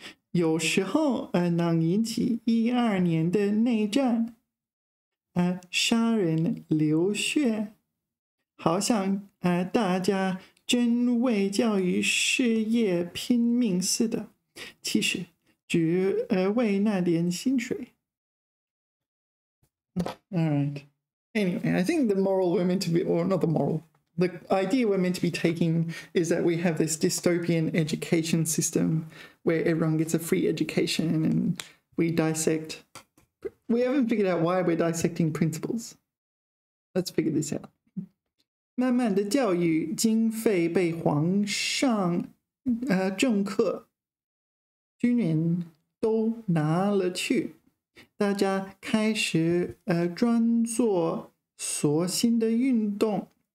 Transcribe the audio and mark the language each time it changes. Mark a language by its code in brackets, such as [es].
[zh] 有时候，能引起12年的内战，杀人流血，好像大家真为教育事业拼命似的，其实只为那点薪水。 [en] Alright. Anyway, I think the moral we're meant to be, or not the moral. The idea we're meant to be taking is that we have this dystopian education system where everyone gets a free education and we dissect. We haven't figured out why we're dissecting principles. Let's figure this out. [zh] 慢慢的，教育经费被皇上、政客、军人都拿了去，大家开始专做琐心的运动。